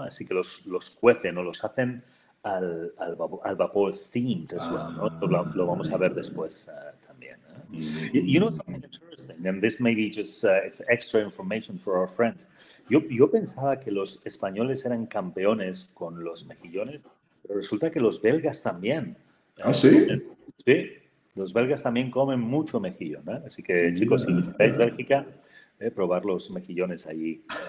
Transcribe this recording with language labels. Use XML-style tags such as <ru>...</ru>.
<es>Así que los cuecen o los hacen al vapor</es> <en>steamed as well,</en> <es>¿no? Lo vamos a ver después también.</es> <en>You know something interesting, and this may be just it's extra information for our friends.</en> <es>Yo pensaba que los españoles eran campeones con los mejillones, pero resulta que los belgas también. ¿Sí? Sí, los belgas también comen mucho mejillón, ¿no? Así que, chicos, si visitáis Bélgica, probar los mejillones allí.</es>